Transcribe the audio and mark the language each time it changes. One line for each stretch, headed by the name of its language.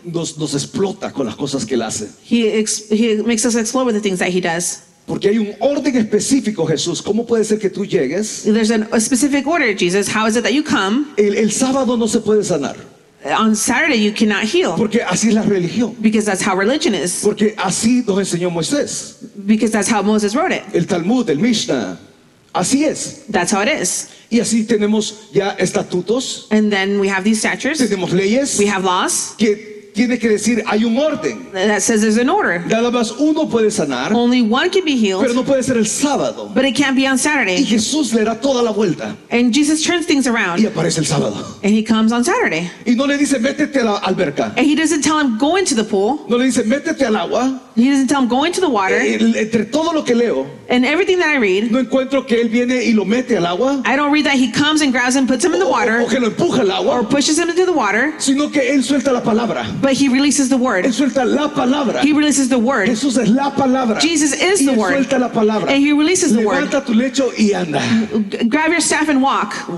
Spanish: Nos explota con las cosas que él hace.
English: He makes us explode with the things that he does.
Spanish: Porque hay un orden específico, Jesús. ¿Cómo puede ser que tú llegues?
English: There's a specific order, Jesus. How is it that you come?
Spanish: El sábado no se puede sanar.
English: On Saturday you cannot heal.
Spanish: Porque así es la religión.
English: Because that's how religion is.
Spanish: Porque así nos enseñó Moisés.
English: Because that's how Moses wrote it.
Spanish: El Talmud, el Mishnah. Así es.
English: That's how it is.
Spanish: Y así tenemos ya estatutos.
English: And then we have these statutes.
Spanish: Tenemos leyes.
English: We have laws.
Spanish: Que tiene que decir hay un orden.
English: That says there's an order.
Spanish: Nada más uno puede sanar.
English: Only one can be healed.
Spanish: Pero no puede ser el sábado.
English: But it can't be on Saturday.
Spanish: Y Jesús le da toda la vuelta.
English: And Jesus turns things around.
Spanish: Y aparece el sábado.
English: And he comes on Saturday.
Spanish: Y no le dice métete a la alberca.
English: And he doesn't tell him go into the pool.
Spanish: No le dice métete al agua.
English: He doesn't tell him go into the water.
Spanish: Entre todo lo que leo.
English: And everything that I read.
Spanish: No encuentro que él viene y lo mete al agua.
English: I don't read that he comes and grabs him, puts him in the water.
Spanish: O que lo empuja al agua.
English: Or pushes him into the water.
Spanish: Sino que él suelta la palabra.
English: But he releases the word. He releases the word.
Spanish: Jesús es la palabra.
English: Jesus is the word. And he releases the word.
Spanish: Levanta tu lecho y anda.
English: Grab your staff and walk.